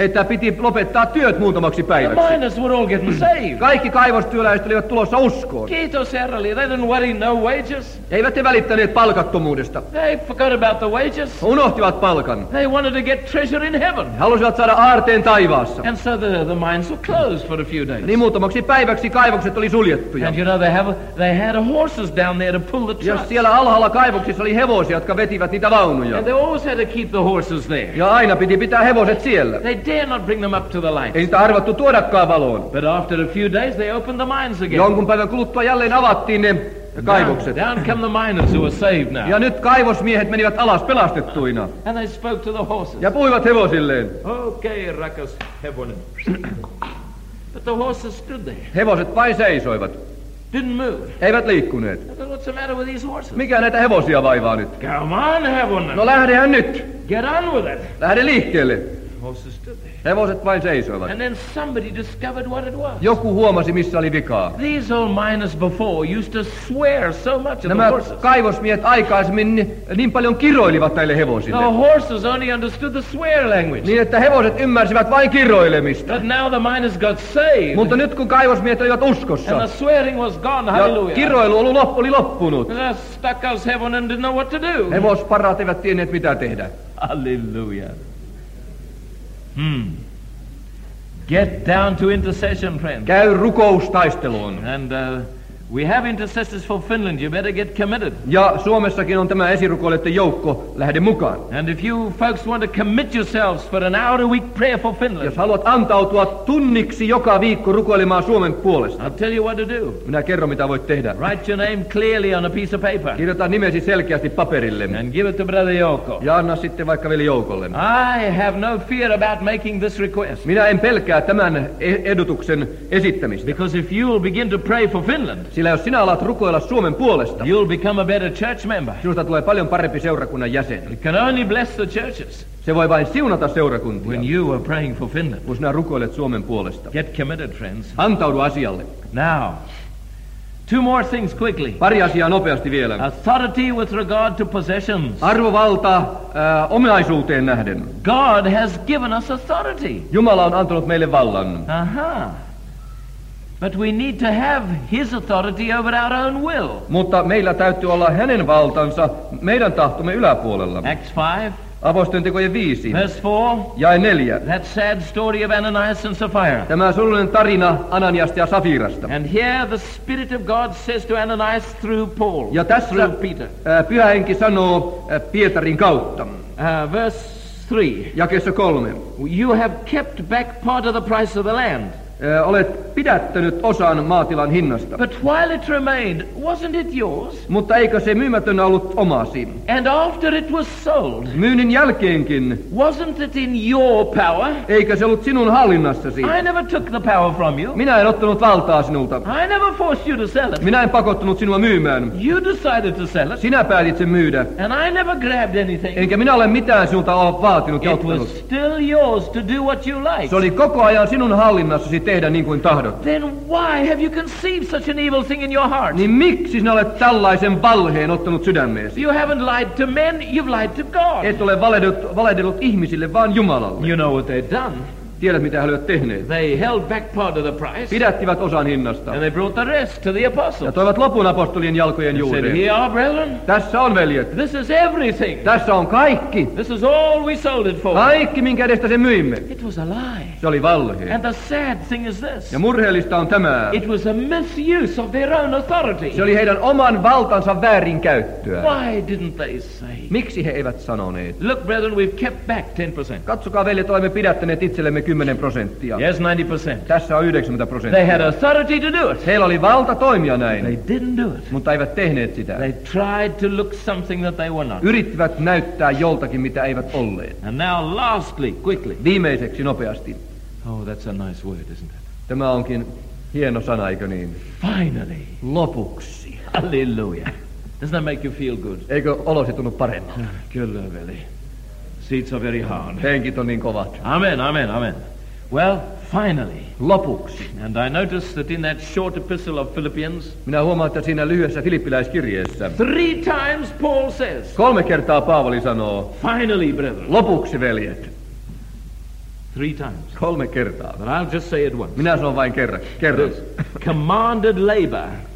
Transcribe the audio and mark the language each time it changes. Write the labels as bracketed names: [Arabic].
[Finnish] Että piti lopettaa työt muutamaksi päiväksi. [English] The miners were all getting saved. [Finnish] Kaikki kaivostyöläiset olivat tulossa uskoon. Kiitos herralle. [English] They didn't worry no wages. [Finnish] Eivät he välittäneet palkattomuudesta. [English] They forgot about the wages. [Finnish] Unohtivat palkan. [English] They wanted to get treasure in heaven. [Finnish] Halusivat saada aarteen taivaassa. [English] And so the mines were closed for a few days. [Finnish] Niin muutamaksi päiväksi kaivokset oli suljettuja. [English] And you know, they had horses down there to pull the trucks. [Finnish] Ja siellä alhaalla kaivoksissa oli hevosia, jotka vetivät niitä vaunuja. [English] And they always had to keep the horses there. [Finnish] Ja aina piti pitää hevoset siellä. [English] They dare not bring them up to the light. [Finnish] Ei niitä arvattu tuodakaan valoon. [English] But after a few days they opened the mines again. [Finnish] Jonkun päivän kuluttua jälleen avattiin ne kaivokset. [English] Down come the miners who were saved now. [Finnish] Ja nyt kaivosmiehet menivät alas pelastettuina. [English] And they spoke to the horses. [Finnish] Ja puhuivat hevosilleen. [English] Okay, [Finnish] rakas hevonen. [English] But the horses stood there. [Finnish] Hevoset vain seisoivat. [English] Didn't move. [Finnish] Eivät liikkuneet. [English] What's the matter with these horses? [Finnish] Mikä näitä hevosia vaivaa nyt? [English] Come on, hevonen. [Finnish] No lähdehän nyt. [English] Get on with it. [Finnish] Lähde liikkeelle. [English] Horses stood there. [Finnish] Hevoset vain seisoivat. [English] And then somebody discovered what it was. [Finnish] Joku huomasi, missä oli vikaa. [English] These old miners before used to swear so much at the horses. [Finnish] Nämä kaivosmiehet aikaisemmin niin paljon kiroilivat näille hevosille. [English] The horses only understood the swear language. [Finnish] Niin, että hevoset ymmärsivät vain kiroilemista. [English] But now the miners got saved. [Finnish] Mutta nyt, kun kaivosmiehet olivat uskossa. [English] And the swearing was gone, hallelujah. [Finnish] Ja kiroilu oli loppunut. [English] The stuck-ass hevonen didn't know what to do. [Finnish] Hevosparat eivät tienneet, mitä tehdä. [English] Hallelujah. Get down to intercession, friend. [Finnish] Käy rukoustaisteluun. [English] And we have intercessors for Finland. You better get committed. [Finnish] Ja Suomessakin on tämä esirukoilijoiden joukko. Lähde mukaan. [English] And if you folks want to commit yourselves for an hour a week prayer for Finland. [Finnish] Jos haluat antautua tunniksi joka viikko rukoilemaan Suomen puolesta. [English] I'll tell you what to do. [Finnish] Minä kerron, mitä voit tehdä. [English] Write your name clearly on a piece of paper. [Finnish] Kirjoita nimesi selkeästi paperille. [English] And give it to Brother Jouko. [Finnish] Ja anna sitten vaikka veli Joukolle. [English] I have no fear about making this request. [Finnish] Minä en pelkää tämän edutuksen esittämistä. [English] Because if you'll begin to pray for Finland. [Finnish] Sillä jos sinä alat rukoilla Suomen puolesta, [English] you'll become a better church member. [Finnish] Sinusta tulee paljon parempi seurakunnan jäsen. [English] It can only bless the churches. [Finnish] Se voi vain siunata seurakuntia. [English] When you are praying for Finland. [Finnish] Kun sinä rukoilet Suomen puolesta. [English] Get committed, friends. [Finnish] Antaudu asialle. [English] Now, two more things quickly. [Finnish] Pari asiaa nopeasti vielä. [English] Authority with regard to possessions. [Finnish] Arvovalta omaisuuteen nähden. [English] God has given us authority. [Finnish] Jumala on antanut meille vallan. Aha. [English] But we need to have his authority over our own will. [Finnish] Mutta meillä täytyy olla hänen valtansa meidän tahtomme yläpuolella. [English] Acts 5. [Finnish] Apostolintekojen 5. [English] Verse 4. [Finnish] Jae 4. [English] That sad story of Ananias and Sapphira. [Finnish] Tämä surullinen tarina Ananiasta ja Safirasta. [English] And here the Spirit of God says to Ananias through Paul. [Finnish] Ja tässä [English] through Peter. [Finnish] Pyhä Henki sanoo Pietarin kautta. [English] Verse 3. [Finnish] Jakeessa 3. [English] You have kept back part of the price of the land. [Finnish] Olet pidättänyt osan maatilan hinnasta. [English] But while it remained, wasn't it yours? [Finnish] Mutta eikö se myymätön ollut omasi? [English] And after it was sold? [Finnish] Myynnin jälkeenkin. [English] Wasn't it in your power? [Finnish] Eikö se ollut sinun hallinnassasi? [English] I never took the power from you. [Finnish] Minä en ottanut valtaa sinulta. [English] I never forced you to sell it. [Finnish] Minä en pakottanut sinua myymään. [English] You decided to sell it. [Finnish] Sinä päätit sen myydä. [English] And I never grabbed anything. [Finnish] Eikä minä ole mitään sinulta ole vaatinut ja ottanut. [English] It was still yours to do what you like. [Finnish] Se oli koko ajan sinun hallinnassasi tehdä niin kuin tahdot. [English] Then why have you conceived such an evil thing in your heart? [Finnish] Niin miksi sinä olet tällaisen valheen ottanut sydämeesi? [English] You haven't lied to men, you've lied to God. [Finnish] Et ole valehdellut ihmisille, vaan Jumalalle. [English] You know what they've done. [Finnish] Tiedät, mitä he olivat tehneet. [English] They held back part of the price. [Finnish] Pidättivät osan hinnasta. [English] And they brought the rest to the apostles. [Finnish] Ja toivat lopun apostolien jalkojen juureen. [English] Said, here are, brethren. [Finnish] Tässä on, veljet. [English] This is everything. [Finnish] Tässä on kaikki. [English] This is all we sold it for. [Finnish] Kaikki, minkä edestä sen myimme. [English] It was a lie. [Finnish] Se oli valhe. [English] And the sad thing is this. [Finnish] Ja murheellista on tämä. [English] It was a misuse of their own authority. [Finnish] Se oli heidän oman valtansa väärinkäyttöä. [English] Why didn't they say? [Finnish] Miksi he eivät sanoneet? [English] Look, brethren, we've kept back 10%. [Finnish] Katsokaa, veljet, olemme pidättäneet itsellemme 10%. [English] Yes, 90%. [Finnish] Tässä on 90%. [English] They had authority to do it. [Finnish] Heillä oli valta toimia näin. [English] They didn't do it. [Finnish] Mutta eivät tehneet sitä. [English] They tried to look something that they were not. [Finnish] Yrittivät näyttää joltakin, mitä eivät olleet. [English] And now lastly, quickly. [Finnish] Viimeiseksi nopeasti. [English] Oh, that's a nice word, isn't it? [Finnish] Tämä onkin hieno sana, eikö niin? [English] Finally. [Finnish] Lopuksi. [English] Hallelujah. Doesn't that make you feel good? [Finnish] Eikö olosi tunnu paremmalta? Kyllä, veli. [English] Seats are very hard. [Finnish] Henkit on niin kovat. [English] Amen, amen, amen. Well, finally. [Finnish] Lopuksi. [English] And I notice that in that short epistle of Philippians. [Finnish] Minä huomaan, että siinä lyhyessä filippiläiskirjeessä. [English] Three times Paul says. [Finnish] Kolme kertaa Paavali sanoo. [English] Finally, brethren. [Finnish] Lopuksi, veljet. [English] Three times. [Finnish] Kolme kertaa. [English] But I'll just say it once. [Finnish] Minä sanon vain kerran. [English] Commanded labor.